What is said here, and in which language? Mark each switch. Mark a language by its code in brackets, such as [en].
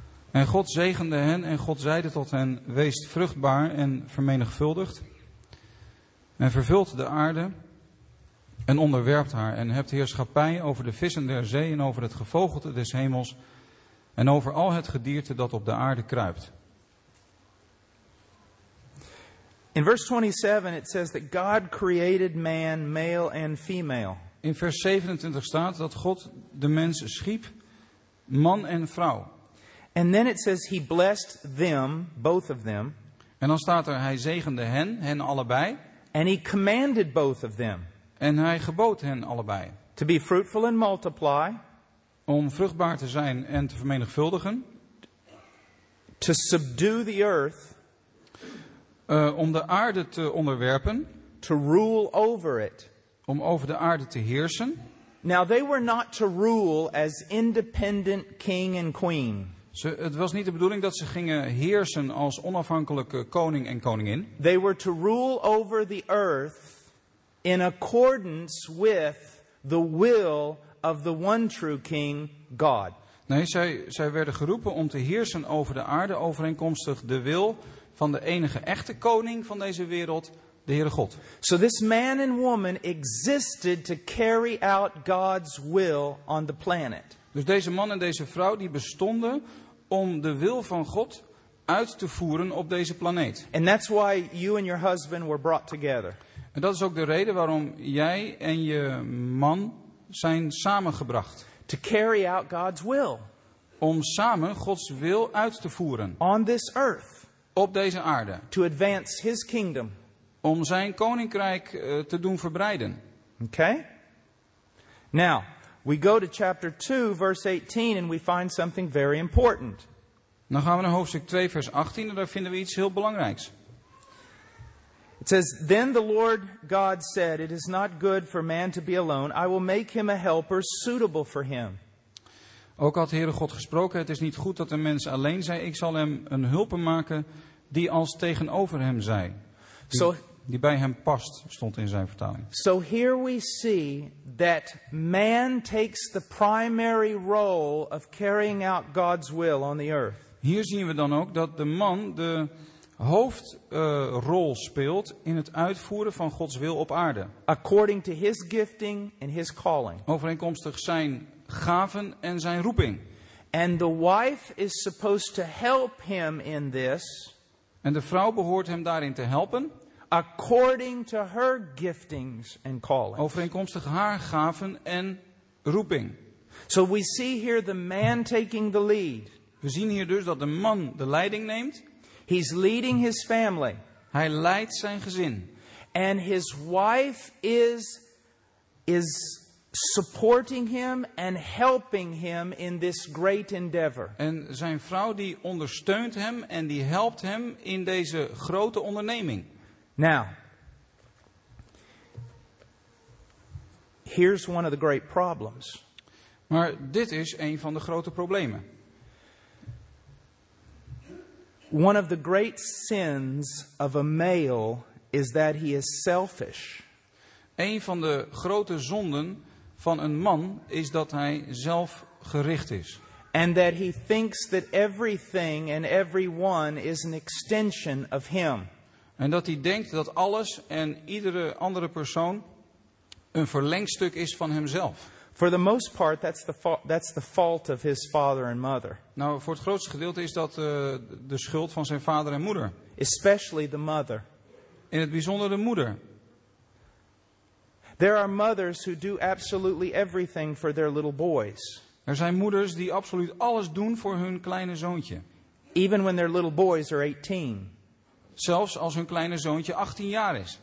[nl] En God zegende hen en God zeide tot hen, wees vruchtbaar en vermenigvuldigt. En vervult de aarde en onderwerpt haar. En hebt heerschappij over de vissen der zee en over het gevogelte des hemels. En over al het gedierte dat op de aarde kruipt. In vers [en] 27 it says that God created man male and female. [nl] In vers 27 staat dat God de mens schiep, man en vrouw. [en] And then it says he blessed them, both of them. [nl] En dan staat er hij zegende hen allebei. [en] And he commanded both of them. [nl] En hij gebood hen allebei. [en] To be fruitful and multiply. [nl] Om vruchtbaar te zijn en te vermenigvuldigen. [en] To subdue the earth. [nl] Om de aarde te onderwerpen. [en] To rule over it. [nl] Om over de aarde te heersen. [en] Now they were not to rule as independent king and queen. [nl] Het was niet de bedoeling dat ze gingen heersen als onafhankelijke koning en koningin. [en] They were to rule over the earth in accordance with the will of the one true king, God. [nl] Nee, zij werden geroepen om te heersen over de aarde overeenkomstig de wil van de enige echte koning van deze wereld, de Heere God. [en] So this man and woman existed to carry out God's will on the planet. [nl] Dus deze man en deze vrouw die bestonden om de wil van God uit te voeren op deze planeet. [en] And that's why you and your husband were brought together. [nl] En dat is ook de reden waarom jij en je man zijn samengebracht. [en] To carry out God's will. [nl] Om samen Gods wil uit te voeren. [en] On this earth. [nl] Op deze aarde. [en] To advance his kingdom. [nl] Om zijn koninkrijk te doen verbreiden. [en] Okay. Now, we go to chapter 2, verse 18, and we find something very important. [nl] Dan gaan we naar hoofdstuk 2, vers 18, en daar vinden we iets heel belangrijks. [en] It says, then the Lord God said, it is not good for man to be alone. I will make him a helper suitable for him. [nl] Ook had de Heere God gesproken, het is niet goed dat een mens alleen zij. Ik zal hem een hulper maken die als tegenover hem zij. Die bij hem past, stond in zijn vertaling. [en] So here we see that man takes the primary role of carrying out God's will on the earth. [nl] Hier zien we dan ook dat de man de hoofdrol speelt in het uitvoeren van Gods wil op aarde. [en] According to his gifting and his calling. [nl] Overeenkomstig zijn gaven en zijn roeping. [en] And the wife is supposed to help him in this. [nl] En de vrouw behoort hem daarin te helpen. [en] According to her giftings and callings. [nl] Overeenkomstig haar gaven en roeping. [en] So we see here the man taking the lead. [nl] We zien hier dus dat de man de leiding neemt. [en] He's leading his family. [nl] Hij leidt zijn gezin. [en] And his wife is supporting him and helping him in this great endeavor. [nl] En zijn vrouw die ondersteunt hem en die helpt hem in deze grote onderneming. [en] Now, here's one of the great problems. [nl] Maar dit is een van de grote problemen. [en] One of the great sins of a male is that he is selfish. [nl] Een van de grote zonden van een man is dat hij zelfgericht is. [en] And that he thinks that everything and everyone is an extension of him. [nl] En dat hij denkt dat alles en iedere andere persoon een verlengstuk is van hemzelf. [en] For the most part, that's the fault of his father and mother. [nl] Nou, voor het grootste gedeelte is dat de schuld van zijn vader en moeder. [en] Especially the mother. [nl] In het bijzonder de moeder. [en] There are mothers who do absolutely everything for their little boys. [nl] Er zijn moeders die absoluut alles doen voor hun kleine zoontje. [en] Even when their little boys are 18. [nl] Zelfs als hun kleine zoontje 18 jaar is.